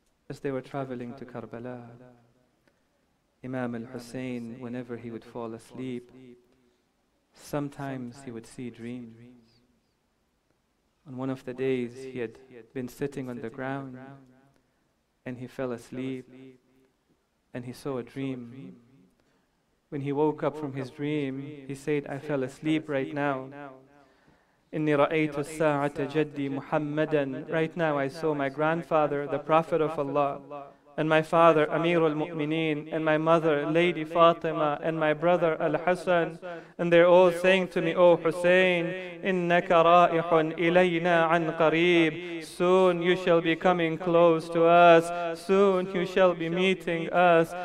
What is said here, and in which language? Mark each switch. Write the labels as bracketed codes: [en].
[en] As they were traveling to Karbala, Imam al-Hussein, whenever he would fall asleep, sometimes he would see dreams. On one of the days, he had been sitting on the ground, and he fell asleep, and he saw a dream. When he woke up from his dream, he said, "I fell asleep right now. [ar] إني رأيت الساعة جدي محمدا." [en] Right now I saw my grandfather, the Prophet of Allah, and my father Amir al-Mu'mineen, and my mother Lady Fatima, and my brother Al-Hasan, and they're all saying to me, "O Hussein, [ar] إِنَّكَ رَائِحٌ إِلَيْنَا عَنْ قَرِيبٍ." [en] Soon you shall be coming close to us, soon you shall be meeting us.